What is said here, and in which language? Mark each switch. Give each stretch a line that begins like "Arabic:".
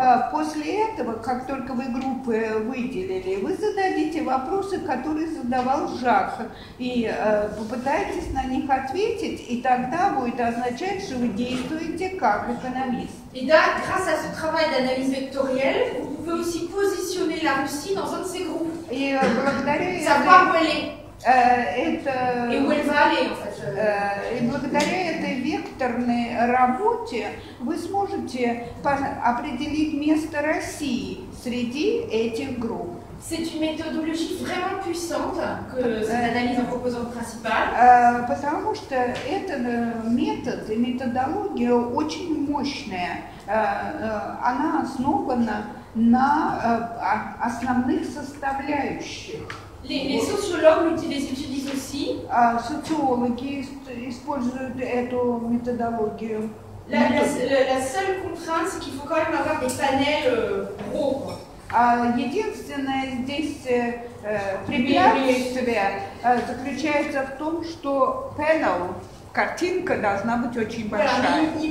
Russian: После этого, как только вы группы выделили, вы зададите вопросы, которые задавал Жак, и попытаетесь на них ответить, и тогда будет означать, что вы действуете как экономист.
French: Et là, grâce à ce travail d'analyse vectorielle, vous pouvez aussi positionner la Russie dans un de ces groupes. Et
Russian: благодаря
French: ça va voler.
Russian: это, и вы знали, и благодаря этой векторной работе вы сможете определить место России среди этих групп.
French: C'est une méthodologie vraiment puissante que cette analyse en composantes principales.
Russian: Потому что этот метод и методология очень мощная. Она основана на основных составляющих.
French: Les sociologues l'utilisent aussi.
Russian: Социологи используют эту методологию.
French: La seule contrainte, c'est qu'il faut quand même avoir des panels gros.
Russian: Единственное здесь препятствие заключается в том, что panel, картинка должна быть очень большая.